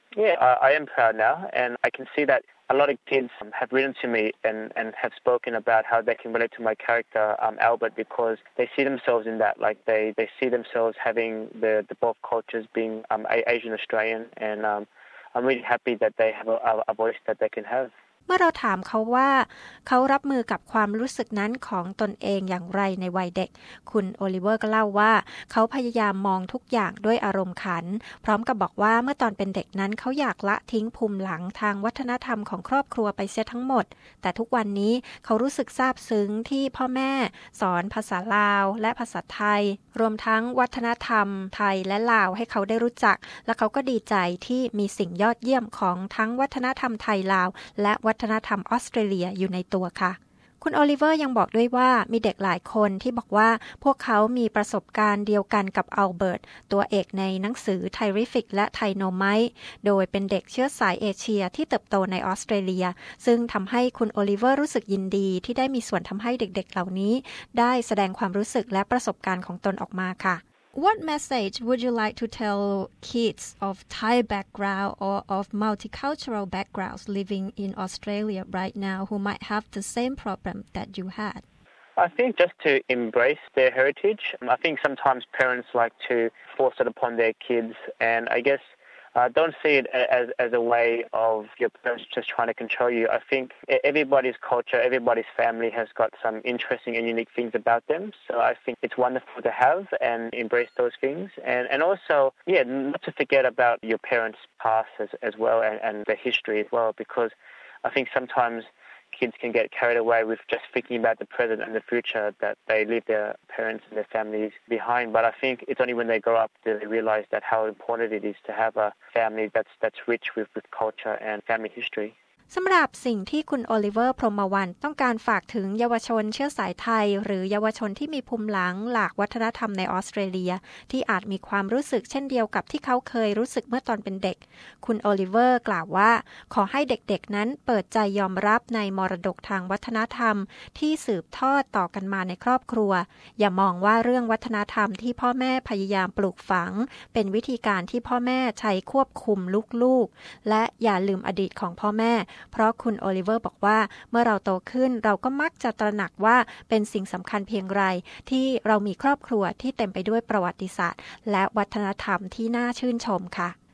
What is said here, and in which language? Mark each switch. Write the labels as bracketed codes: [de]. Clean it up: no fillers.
[en] Yeah, I am proud now. And I can see that a lot of kids have written to me and have spoken about how they can relate to my character, Albert, because they see themselves in that. Like they see themselves having the both cultures being Asian Australian and... I'm really happy that they have a voice that they can have. [th] เมื่อเราถามเขาว่าเขารับมือกับความรู้สึกนั้นของตนเองอย่างไรในวัยเด็กคุณโอลิเวอร์ก็เล่าว่าเขาพยายามมองทุกอย่างด้วยอารมณ์ขันพร้อมกับบอกว่าเมื่อตอนเป็นเด็กนั้นเขาอยากละทิ้งภูมิหลังทางวัฒนธรรมของครอบครัวไปเสียทั้งหมดแต่ทุกวันนี้เขารู้สึกซาบซึ้งที่พ่อแม่ สอนภาษาลาวและภาษาไทยรวมทั้งวัฒนธรรมไทยและลาวให้เขาได้รู้จักและเขาก็ดีใจที่มีสิ่งยอดเยี่ยมของทั้งวัฒนธรรมไทยลาวและวัฒนธรรมออสเตรเลียอยู่ในตัวค่ะ คุณโอลิเวอร์ยังบอกด้วยว่ามีเด็กหลายคนที่บอกว่าพวกเขามีประสบการณ์เดียวกันกับอัลเบิร์ตตัวเอกในหนังสือ Terrific และ Tynomite โดยเป็นเด็กเชื้อสายเอเชียที่เติบโตในออสเตรเลียซึ่งทำให้คุณโอลิเวอร์รู้สึกยินดีที่ได้มีส่วนทำให้เด็กๆเหล่านี้ได้แสดงความรู้สึกและประสบการณ์ของตนออกมาค่ะ [en] What message would you like to tell kids of Thai background or of multicultural backgrounds living in Australia right now who might have the same problem that you had? I think just to embrace their heritage. I think sometimes parents like to force it upon their kids and I guess don't see it as a way of your parents just trying to control you. I think everybody's culture, everybody's family has got some interesting and unique things about them. So I think it's wonderful to have and embrace those things. And also, yeah, not to forget about your parents' past as well and their history as well, because I think sometimes kids can get carried away with just thinking about the present and the future that they leave their parents and their families behind. But I think it's only when they grow up that they realize that how important it is to have a family that's rich with culture and family history. [th] สำหรับสิ่งที่คุณโอลิเวอร์พรหมวรรณต้องการฝากถึงเยาวชนเชื้อสายไทยหรือเยาวชนที่มีภูมิหลังหลากวัฒนธรรมในออสเตรเลียที่อาจมีความรู้สึกเช่นเดียวกับที่เขาเคยรู้สึกเมื่อตอนเป็นเด็ก คุณโอลิเวอร์กล่าวว่าขอให้เด็กๆนั้นเปิดใจยอมรับในมรดกทางวัฒนธรรมที่สืบทอดต่อกันมาในครอบครัวอย่ามองว่าเรื่องวัฒนธรรมที่พ่อแม่พยายามปลูกฝังเป็นวิธีการที่พ่อแม่ใช้ควบคุมลูกๆและอย่าลืมอดีตของพ่อแม่เพราะคุณโอลิเวอร์บอกว่าเมื่อเราโตขึ้นเราก็มักจะตระหนักว่าเป็นสิ่งสำคัญเพียงไรที่เรามีครอบครัวที่เต็มไปด้วยประวัติศาสตร์และวัฒนธรรมที่น่าชื่นชมค่ะ